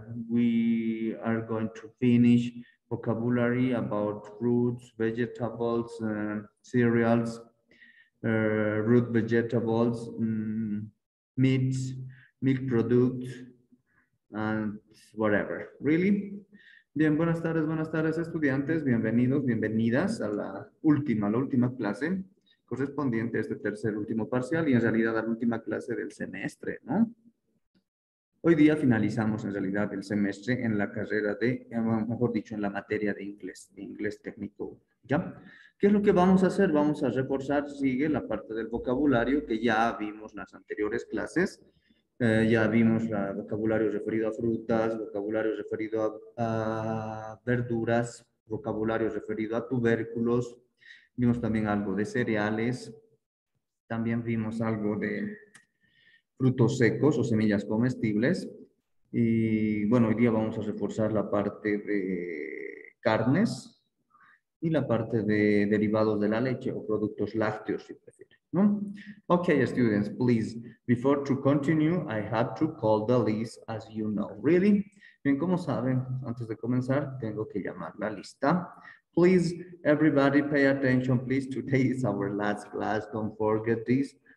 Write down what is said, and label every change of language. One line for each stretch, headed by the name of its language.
English: We are going to finish vocabulary about fruits, vegetables, cereals, root vegetables, meats, milk products, and whatever, really.
Spanish: Bien, buenas tardes estudiantes, bienvenidos, bienvenidas a la última clase correspondiente a este tercer último parcial y en realidad a la última clase del semestre, ¿no? Hoy día finalizamos en realidad el semestre en la carrera de, mejor dicho, en la materia de inglés técnico, ¿ya? ¿Qué es lo que vamos a hacer? Vamos a reforzar, sigue la parte del vocabulario que ya vimos en las anteriores clases. Ya vimos el vocabulario referido a frutas, vocabulario referido a verduras, vocabulario referido a tubérculos. Vimos también algo de cereales. También vimos algo de frutos secos o semillas comestibles. Y bueno, hoy día vamos a reforzar la parte de carnes y la parte de derivados de la leche o productos lácteos, si prefieres, ¿no?
English: Okay, students, please, before to continue, I have to call the list, as you know, really.
Spanish: Bien, como saben, antes de comenzar, tengo que llamar la lista.
English: Please, everybody, pay attention, please. Today is our last class, don't forget this.